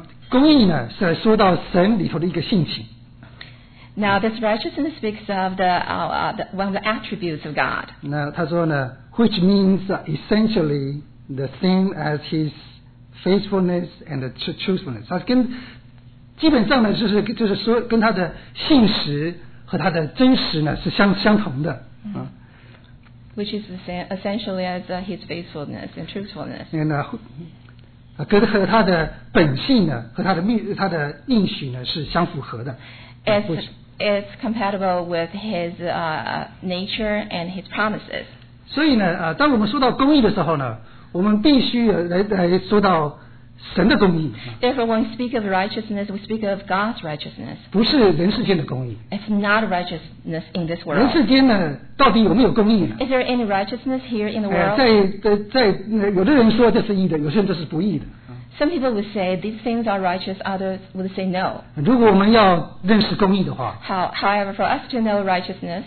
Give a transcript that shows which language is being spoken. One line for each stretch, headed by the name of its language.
Chinese: 公义呢是说到神里头的一个性情。
English: Now this righteousness speaks of one of the attributes of God.
Chinese: 那他说呢
English: ，which means essentially the same as His faithfulness and truthfulness.
Chinese: 他跟基本上呢，就是说跟他的信实和他的真实呢是相同的。
English: Which is the same essentially as His faithfulness and truthfulness.
Chinese: 跟和他的本性呢，和他的应许呢是相符合的。
English: It's compatible with his nature and his promises.
Chinese: 所以呢，当我们说到公义的时候呢，我们必须来说到神的公义。
English: Therefore, when we speak of righteousness, we speak of God's righteousness.
Chinese: 不是人世间的公义。
English: It's not righteousness in this world.
Chinese: 人世间呢，到底有没有公义呢？
English: Is there any righteousness here in the world?
Chinese: 在有的人说这是义的，有些人这是不义的。
English: Some people would say these things are righteous, others would say no.
Chinese: 如果我们要认识公义的话，
English: However, for us to know righteousness,